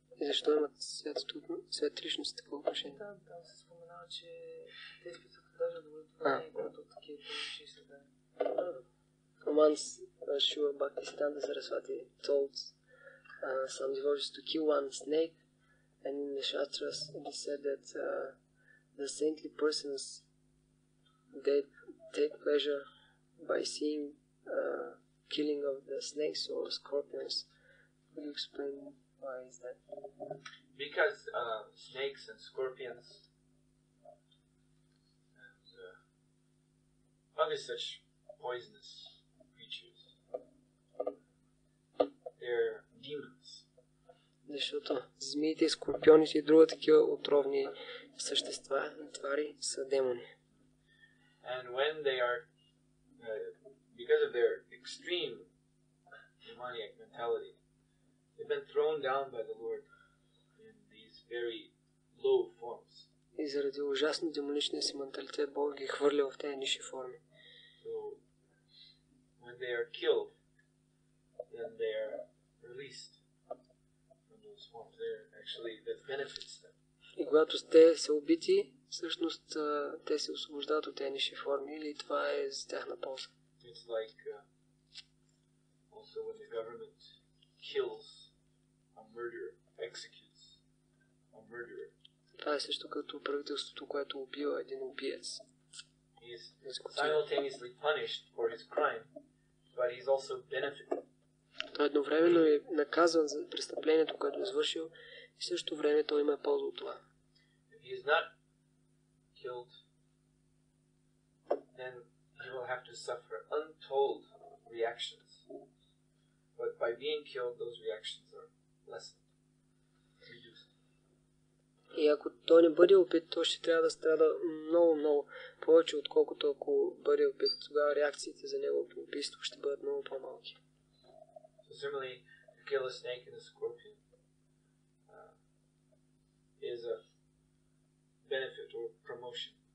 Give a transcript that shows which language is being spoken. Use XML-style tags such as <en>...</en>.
<bg>И защо имат свят личност такова отношение? Да, там се споменава, че те изпитват даже удоволствие от такива души.</bg> <en>Шива Бхакти Сиддханта Сарасвати told some devotees to kill one snake, and in the Shastras it is said that the saintly persons they take pleasure by seeing killing of the snakes or scorpions. Could you explain why is that? Because snakes and scorpions and other such poisonous creatures, they're demons.</en> <bg>Защото змиите, скорпионите и други такива отровни същества и твари са демони.</bg> <en>And when they are because of their extreme demoniac mentality. They've been thrown down by the Lord in these very low forms.</en> <bg>И заради ужасно демоничния си менталитет, Бог ги хвърля в тези ниши форми.</bg> <en>So, when they are killed, then they are released from those forms. They're actually, that benefits them.</en> <bg>И когато те са убити, всъщност те се освобождават от тези ниши форми или това е за тяхна полза.</bg> <en>It's like also when the government kills a murderer, executes a murderer.</en> <bg>Това е също като правителството, което убива един убиец.</bg> <en>He is simultaneously punished for his crime, but he's also benefited.</en> <bg>Той едновременно е наказан за престъплението, което е извършил, и в същото време той има полза от това.</bg> <en>He is not killed, then he will have to suffer untold reactions. But by being killed, those reactions are lessened, reduced.</en> <bg>И ако той не бъде убит, то ще трябва да страда много, много повече, отколкото ако бъде убит, тогава реакциите за неговото убийство ще бъдат много по-малки.</bg> <en>So similarly, to kill a snake and a scorpion is a benefit or promotion.</en>